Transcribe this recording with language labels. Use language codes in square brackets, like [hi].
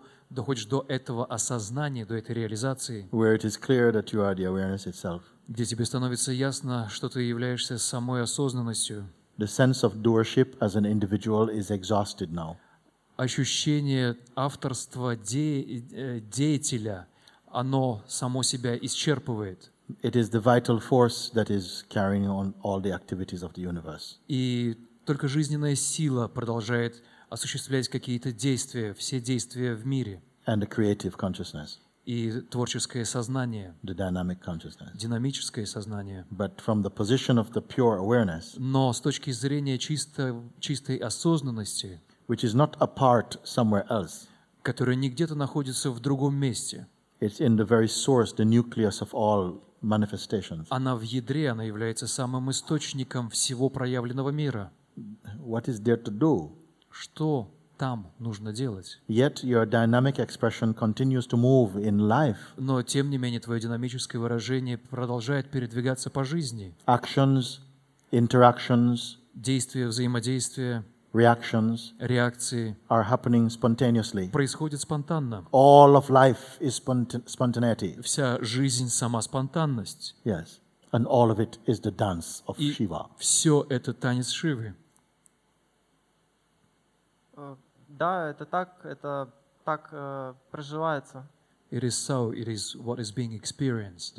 [ru] доходишь до этого осознания, до этой реализации, [en] where it is clear that you are the awareness itself, [ru] где тебе становится ясно, что ты являешься самой осознанностью, [en] the sense of doership as an individual is exhausted now. [ru] Ощущение авторства деятеля, оно само себя исчерпывает. [en] It is the vital force that is carrying on all the activities of the universe. [ru] И только жизненная сила продолжает осуществлять какие-то действия, все действия в мире. [en] And the creative consciousness. [ru] И творческое сознание. [en] The dynamic consciousness. [ru] Динамическое сознание. [en] But from the position of the pure awareness. [ru] Но с точки зрения чистой осознанности. [en] Which is not apart somewhere else. [ru] Которая не где-то находится в другом месте. [en] It's in the very source, the nucleus of all manifestations. [ru] Она в ядре, она является самым источником всего проявленного мира. [en] What is there to do? [ru] Что там нужно делать? [en] Yet your dynamic expression continues to move in life. [ru] Но тем не менее твое динамическое выражение продолжает передвигаться по жизни. [en] Actions, interactions, [ru] действия, взаимодействия, [en] reactions, [ru] реакции [en] are happening spontaneously. [ru] Происходит спонтанно. [en] All of life is spontaneity. [ru] Вся жизнь сама спонтанность. [en] Yes, and all of it is the dance of Shiva. [ru] И все это танец Шивы. Да, это так проживается. [en] It is so, it is what is being experienced.